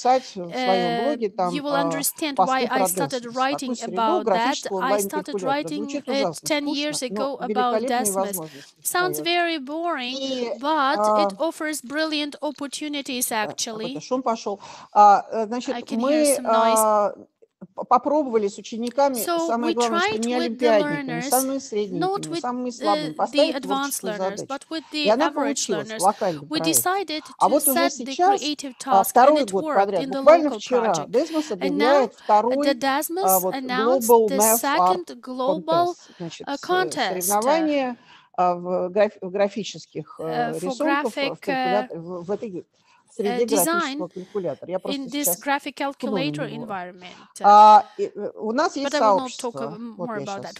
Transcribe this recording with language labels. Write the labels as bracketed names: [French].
[English] you will understand why I started writing about that. I started writing it 10 years ago about Desmos. Sounds very boring, but it offers brilliant opportunities, actually. I can hear some noise. [Russian] Попробовали с учениками, so самое главное, что не олимпиадниками, самыми средними, самыми слабыми, поставить творческие задачи. И она получилась, а вот уже сейчас, второй год подряд, буквально вчера, Desmos объявляет второй Global Math Art Contest, значит, соревнование в графических рисунках, в этой [English] design in this graphic calculator environment. But I will not talk more about that.